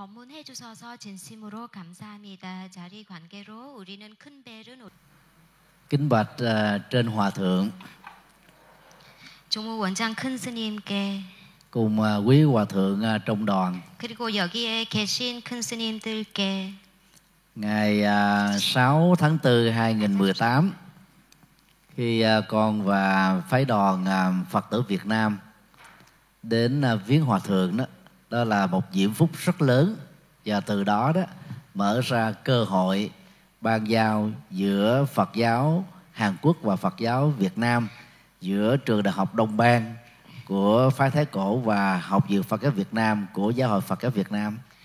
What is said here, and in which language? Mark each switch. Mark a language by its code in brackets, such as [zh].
[ko] 해 주셔서 진심으로 감사합니다. 자리 관계로 우리는 큰 배를 [vi] kính bạch trên hòa thượng. [ko] 종무 원장 큰 스님께 [vi] cùng quý hòa thượng trong đoàn. [ko] 그리고 여기에 계신 큰 스님들께 [vi] ngày 6 tháng 4 2018 khi con và phái đoàn Phật tử Việt Nam đến viếng hòa thượng đó, đó là một diễm phúc rất lớn. Và từ đó đó mở ra cơ hội ban giao giữa Phật giáo Hàn Quốc và Phật giáo Việt Nam, giữa trường đại học Đông Bang của phái Thái Cổ và học viện Phật giáo Việt Nam của Giáo hội Phật giáo Việt Nam.